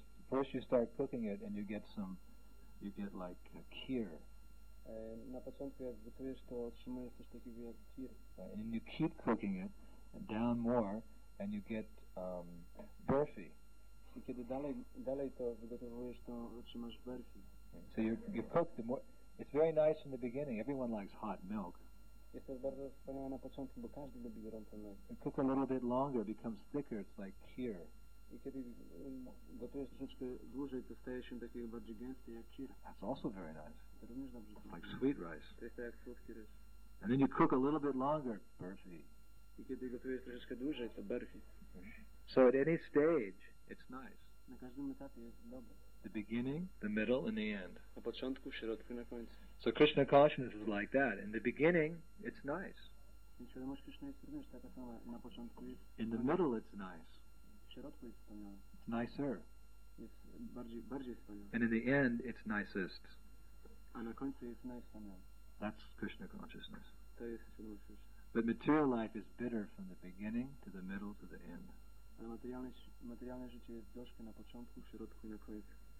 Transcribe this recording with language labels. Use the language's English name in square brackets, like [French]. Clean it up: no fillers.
[English] First you start cooking it and you get like a kheer. [Polish] Na początku jak gotujesz, to otrzymujesz coś takiego jak kheer. [English] And you keep cooking it down more and you get burfi. [Polish] I kiedy dalej to wygotowujesz, to otrzymasz burfi. [English] So you cook the more. It's very nice in the beginning. Everyone likes hot milk. [Polish] Jest to bardzo wspaniałe na początku, bo każdy lubi gorące mleko. [English] You cook a little bit longer, it becomes thicker, it's like kheer. [Polish] I kiedy gotujesz troszeczkę dłużej, to staje się takie bardziej gęste jak kheer. [English] That's also very nice. [Polish] To również dobrze. [English] It's like sweet rice. [Polish] To jest jak słodki ryż. [English] And then you cook a little bit longer, burfi. [Polish] I kiedy gotujesz troszeczkę dłużej, to burfi. [English] So at any stage, it's nice. [Polish] Na każdym etapie jest dobre. [English] The beginning, the middle, and the end. [Polish] Na początku, w środku, na końcu. [English] So Krishna consciousness is like that. In the beginning, it's nice. [Polish] Więc świadomość Krishna jest również taka sama. Na początku jest. [English] In the middle, it's nice. [Polish] W środku jest wspaniale. [English] It's nicer. [Polish] Jest bardziej wspaniale. [English] And in the end, it's nicest. [Polish] A na końcu jest najwspaniale. [English] That's Krishna consciousness. [Polish] To jest świadomość Krishna. [English] But material life is bitter from the beginning to the middle to the end. [Polish] Ale materialne życie jest gorzkie na początku, w środku i na końcu.